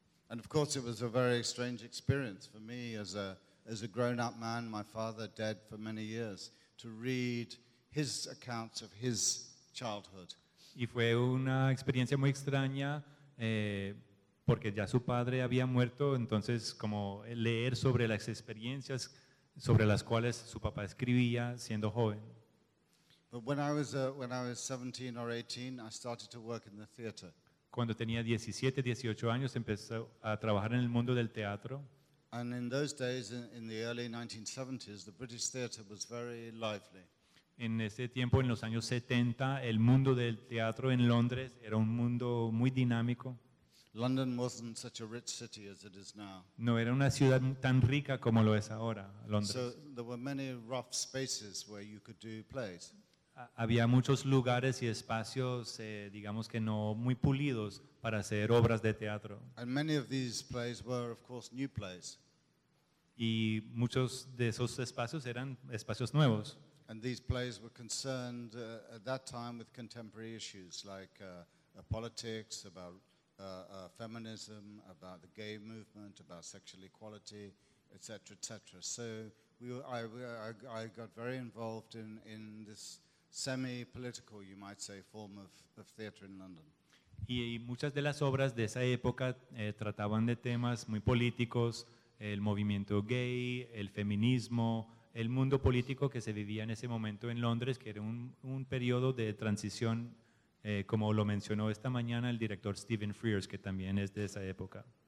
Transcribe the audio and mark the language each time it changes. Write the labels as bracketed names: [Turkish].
[English] And of course it was a very strange experience for me as a grown-up man, my father dead for many years, to read his accounts of his childhood. [Spanish] Y fue una experiencia muy extraña porque ya su padre había muerto, entonces como leer sobre las experiencias sobre las cuales su papá escribía siendo joven. [English] But when I was 17 or 18, I started to work in the theater. [Spanish] Cuando tenía 17, 18 años, empezó a trabajar en el mundo del teatro. [English] And in those days, in the early 1970s, the British theater was very lively. [Spanish] En ese tiempo, en los años 70, el mundo del teatro en Londres era un mundo muy dinámico. [English] London wasn't such a rich city as it is now. [Spanish] No era una ciudad tan rica como lo es ahora, Londres. [English] So there were many rough spaces where you could do plays. [Spanish] Había muchos lugares y espacios, digamos que no muy pulidos para hacer obras de teatro. [English] And many of these plays were, of course, new plays. [Spanish] Y muchos de esos espacios eran espacios nuevos. [English] And these plays were concerned at that time with contemporary issues like politics, about feminism, about the gay movement, about sexual equality, etc., etc. So I got very involved in this semi-political, you might say, form of theater in London. [Spanish] Y muchas de las obras de esa época trataban de temas muy políticos, el movimiento gay, el feminismo, el mundo político que se vivía en ese momento en Londres, que era un periodo de transición, como lo mencionó esta mañana el director Stephen Frears, que también es de esa época.